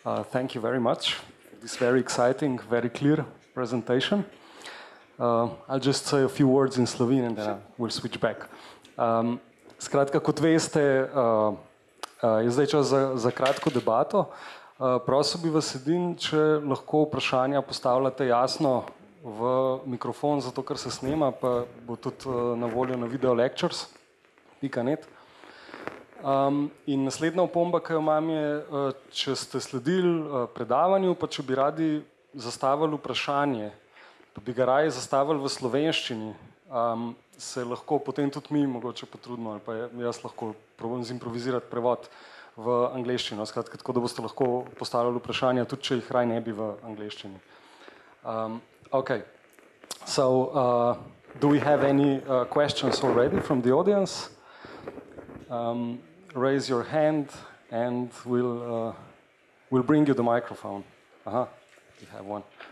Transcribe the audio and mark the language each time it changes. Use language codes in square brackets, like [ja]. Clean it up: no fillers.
[en] Thank you very much for this very exciting, very clear presentation. I'll just say a few words in Slovenian and then we'll switch back. [sl] Skratka, kot veste, je zdaj čas za kratko debato. Prosil bi vas edin, če lahko vprašanja postavljate jasno v mikrofon, zato ker se snema, pa bo tudi na voljo na video lectures.net. In naslednja opomba, ki jo imam, je, če ste sledili predavanju, pa če bi radi zastavili vprašanje, pa bi ga raje zastavili v slovenščini, se lahko potem tudi mi mogoče potrudimo, ali pa jaz lahko probam zimprovizirati prevod v angleščino, skratka, tako da boste lahko postavljali vprašanja, tudi če jih raj ne bi v angleščini. [en] Okay. So, do we have any questions already from the audience? Raise your hand and we'll bring you the microphone. Uh-huh. You have one.